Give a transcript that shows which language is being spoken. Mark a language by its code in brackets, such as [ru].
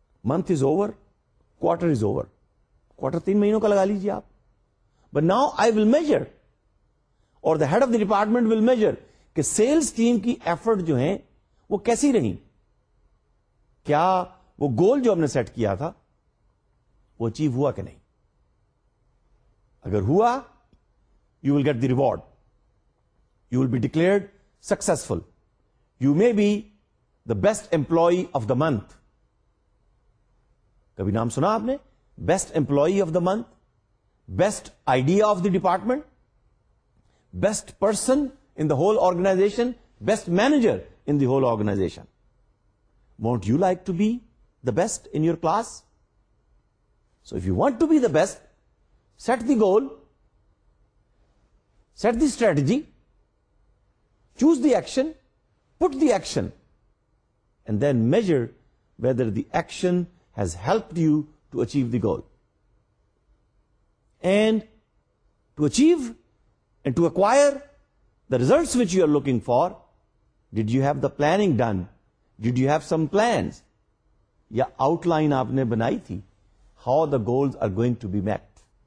[en] month is over, quarter is over, [ur] quarter 3 مہینوں کا لگا لیجیے آپ. [en] but now I will major, [ur] اور the head of the department will measure کہ سیلس ٹیم کی ایفرٹ جو ہیں وہ کیسی رہی، کیا وہ گول جو ہم نے سیٹ کیا تھا وہ اچیو ہوا کہ نہیں. اگر ہوا، [en] You will get the reward, you will be declared successful, you may be the best employee of the month. [ur] کبھی نام سنا آپ نے [en] Best employee of the month, best idea of the department, best person in the whole organisation, best manager in the whole organisation? Want you like to be the best in your class? So if you want to be the best, set the goal, set the strategy, choose the action, put the action, and then measure whether the action has helped you to achieve the goal. And to achieve and to acquire the results which you are looking for, did you have the planning done? Did you have some plans? [ur] Ya outline aapne banayi thi, [en] how the goals are going to be met?